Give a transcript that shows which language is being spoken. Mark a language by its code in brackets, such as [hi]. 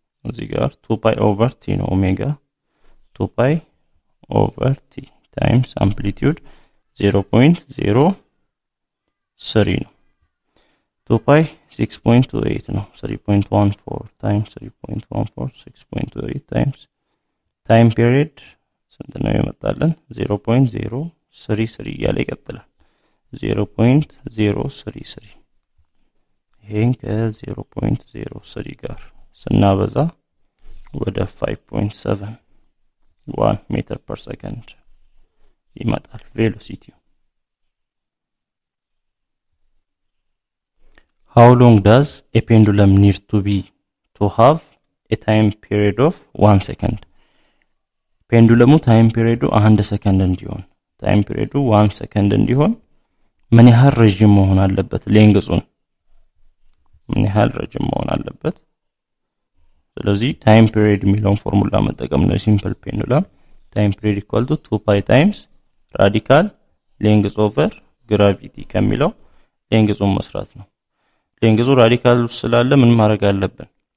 [am] እዚህ ጋር 2 pi over t ነው omega 2 pi over t times amplitude 0.03 ነው 2 pi 6.28 ነው 3.14 times 3.14 6.28 times time period ስንት ነው የመጣለን 0.033 ያለ ይቀጥላል 0.033 ይሄን ከ 0.03 ጋር ስናበዛ ወደ 5.7 1 ሜትር per second ይመጣል velocity. [en] How long does a pendulum need to be to have a time period of 1 second? [am] Pendulum time period 1 second እንዲሆን time period 1 second እንዲሆን ምን ያህል ረጅም መሆን አለበት? ሌንግዙን ምን ያህል ረጅም መሆን አለበት? ስለዚህ time period የሚለውን ፎርሙላ መጠቀም ነው ሲምፕል ፔንዱለም [en] time period equal to 2 pi times radical length over gravity [am] ከሚለው ሌንግዙን መስራት ነው። ሌንግዙ radical ስላለ ምን ማድረግ አለበት?